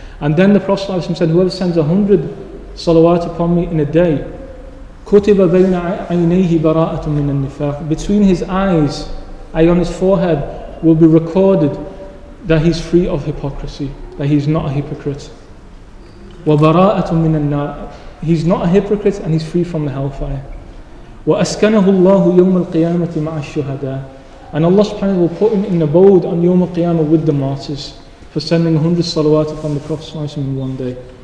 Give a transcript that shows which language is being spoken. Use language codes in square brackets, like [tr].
[en] And then the Prophet said, whoever sends 100 salawat upon me in a day, [ar] كُتِبَ بَيْنَ عَيْنَيْهِ بَرَاءَةٌ مِّنَ النِّفَاقِ. [en] Between his eyes, and on his forehead, will be recorded that he's free of hypocrisy, that he's not a hypocrite. [ar] وَبَرَاءَةٌ مِّنَ النَّارِ. [en] He's not a hypocrite and he's free from the hellfire. [ar] وأسكنه الله يوم القيامة مع الشهداء. [en] And Allah subhanahu wa ta'ala will put him in abode on Yawm al-Qiyamah with the martyrs for sending 100 salawat upon the Prophet sallallahu alayhi wa sallam in one day.